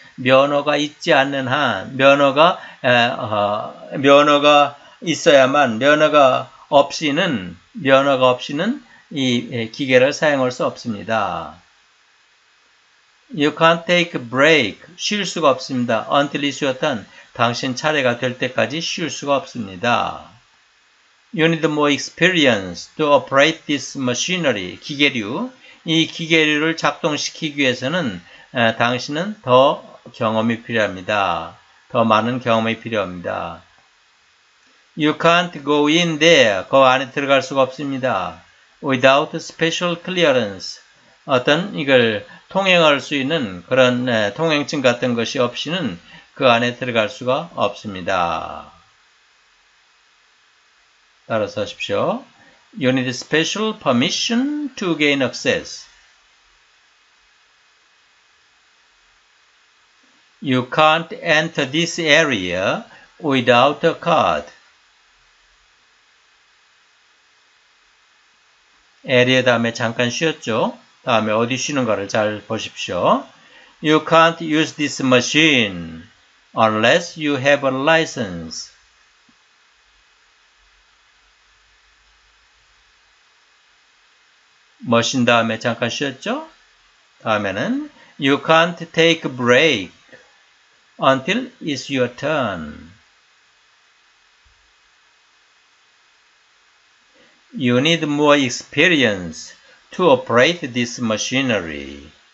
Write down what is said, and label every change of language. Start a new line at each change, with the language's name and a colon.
Korean: 면허가 있지 않는 한, 면허가 있어야만, 면허가 없이는 이 기계를 사용할 수 없습니다.
English: You can't take a break.
Korean: 쉴 수가 없습니다.
English: Until it's your turn.
Korean: 당신 차례가 될 때까지 쉴 수가 없습니다.
English: You need more experience to operate this machinery.
Korean: 기계류. 이 기계류를 작동시키기 위해서는 당신은 더 경험이 필요합니다. 더 많은 경험이 필요합니다.
English: You can't go in there.
Korean: 그 안에 들어갈 수가 없습니다.
English: Without special clearance.
Korean: 어떤 이걸 통행할 수 있는 그런 통행증 같은 것이 없이는 그 안에 들어갈 수가 없습니다. 따라서 하십시오.
English: You need special permission to gain access. You can't enter this area without a card.
Korean: 에리어 다음에 잠깐 쉬었죠? 다음에 어디 쉬는가를 잘 보십시오.
English: You can't use this machine unless you have a license.
Korean: 머신 다음에 잠깐 쉬었죠? 다음에는
English: You can't take a break until it's your turn. You need more experience to operate this machinery.